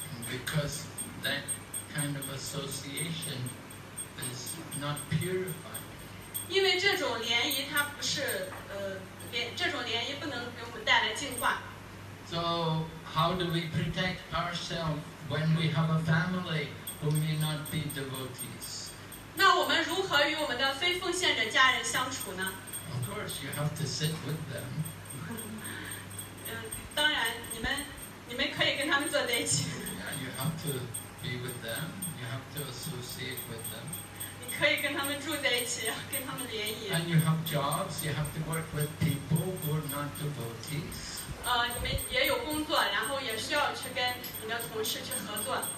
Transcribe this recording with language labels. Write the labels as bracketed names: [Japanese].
[English] Because that kind of association is not purified. [Chinese] 因为这种联谊它不是这种联谊不能给我们带来净化 [English] So how do we protect ourselves when we have a family who may not be devotees? [Chinese] 那我们如何与我们的非奉献者家人相处呢? [English] Of course, you have to sit with them. [Chinese] 当然,你们可以跟他们坐在一起。 [English] Yeah, you have to be with them. You have to associate with them. [Chinese] 你可以跟他们住在一起,跟他们联谊。 [English] And you have jobs. You have to work with people who are not devotees. [Chinese] 你们也有工作,然后也需要去跟你的同事去合作。